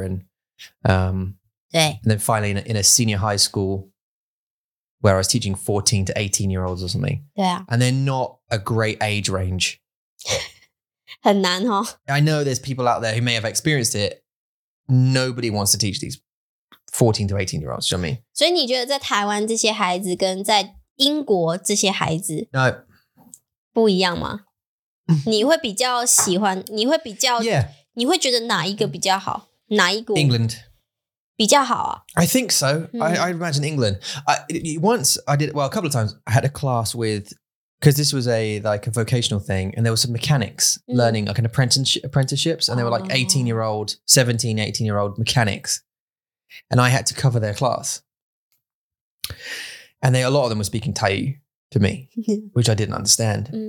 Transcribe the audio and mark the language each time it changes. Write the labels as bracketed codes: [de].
[en] And and then finally in a senior high school, where I was teaching 14 to 18 year olds or something. Yeah. And they're not a great age range. [zh] 很难, huh? [en] I know there's people out there who may have experienced it. Nobody wants to teach these 14 to 18 year olds, you know what I mean? [zh] 所以你觉得在台湾这些孩子跟在英国这些孩子 [en] No. [zh] 不一样吗? 你会比较喜欢, 你会比较, [en] yeah. [zh] 你会觉得哪一个比较好? 哪一个? [en] England. [zh] 比较好啊? [en] I think so. I imagine England. A couple of times I had a class with, because this was a vocational thing and there were some mechanics learning like an apprenticeships and they were like 17, 18 year old mechanics. And I had to cover their class. And a lot of them were speaking Tai to me, which I didn't understand. Mm.